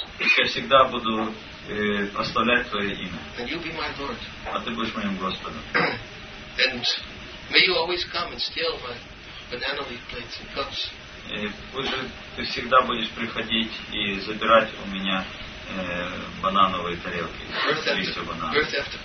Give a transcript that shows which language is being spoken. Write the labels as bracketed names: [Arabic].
[Russian] Я всегда буду прославлять твое имя. А ты будешь моим Господом. [English] And may you always come and steal my banana leaf plates and cups. [Russian] И пусть же ты всегда будешь приходить и забирать у меня банановые тарелки.